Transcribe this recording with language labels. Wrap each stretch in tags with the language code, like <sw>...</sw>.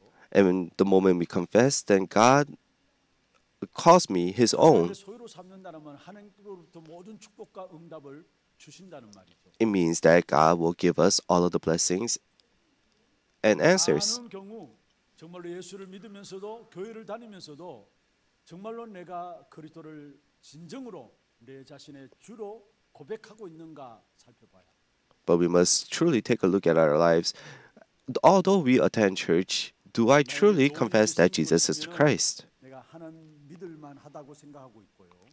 <en>And the moment we confess, then God calls me His own.</en> <ko>소유로 삼는다는 말은 하나님으로부터 모든 축복과 응답을</ko> <en>It means that God will give us all of the blessings and answers.</en> <ko>나는 경우 정말로 예수를 믿으면서도 교회를 다니면서도 정말로 내가 그리스도를 진정으로 내 자신의 주로 고백하고 있는가 살펴봐야.</ko> <en>But we must truly take a look at our lives. Although we attend church, do I truly confess that Jesus is the Christ?</en> <ko>내가 하나님 믿을만 하다고 생각하고 있고요.</ko>